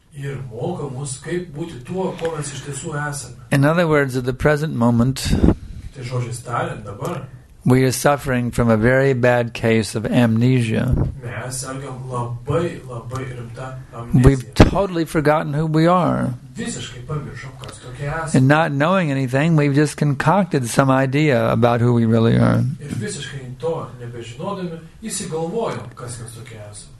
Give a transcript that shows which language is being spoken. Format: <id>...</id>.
<lt>Ir moka mus, kaip būti tuo, ko mes iš tiesų esame.</lt> <en>In other words, at the present moment,</en> <lt>tai žodžiai tariant, dabar,</lt> <en>we are suffering from a very bad case of amnesia.</en> <lt>Mes sergam labai, labai rimta</lt> <en>amnesija. We've totally forgotten who we are.</en> <lt>Visiškai pamiršom, kas tokie esame.</lt> <en>And not knowing anything, we've just concocted some idea about who we really are.</en> <lt>Ir visiškai to nebežinodami, įsigalvojom, kas mes tokie esame.</lt>